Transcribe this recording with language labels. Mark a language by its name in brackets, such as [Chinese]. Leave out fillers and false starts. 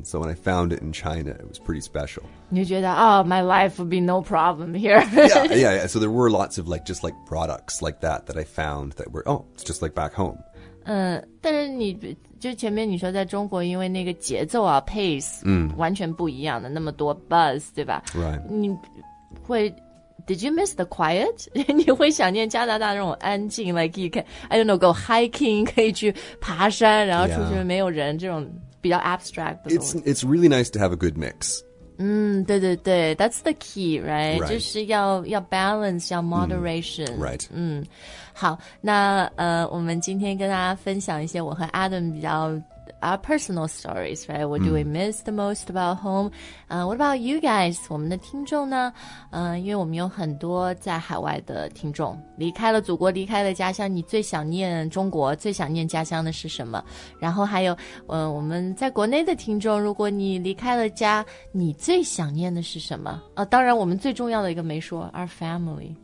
[English] And so when I found it in China, it was pretty special. [Chinese] 你觉得 [English] oh, my life would be no problem here. yeah. So there were lots of like, just like products like that I found that were, oh, it's just like back home. [Chinese] 但是你就前面你说在中国因为那个节奏啊 [English] pace,、 mm. [Chinese] 完全不一样的那么多 buzz, 对吧 [English] Right. [Chinese] 你会 [English] Did you miss the quiet? [Chinese] 你会想念加拿大那种安静 [English] like you can, I don't know, go hiking, [Chinese] 可以去爬山然后出去没有人、 [English] yeah. [Chinese] 这种比较 abstract 的东西。 [English] It's really nice to have a good mix. [Chinese] 对对对 [English] that's the key, right? Right. [Chinese] 就是要 [English] balance, [Chinese] 要 [English] moderation.、 Mm, right. [Chinese] 好那我们今天跟大家分享一些我和 Adam 比较 [English] Our personal stories, right? What do we miss the most about home?、what about you guys? [Chinese] 我们的听众呢、因为我们有很多在海外的听众离开了祖国离开了家乡你最想念中国最想念家乡的是什么然后还有、我们在国内的听众如果你离开了家你最想念的是什么、当然我们最重要的一个没说 [English] Our family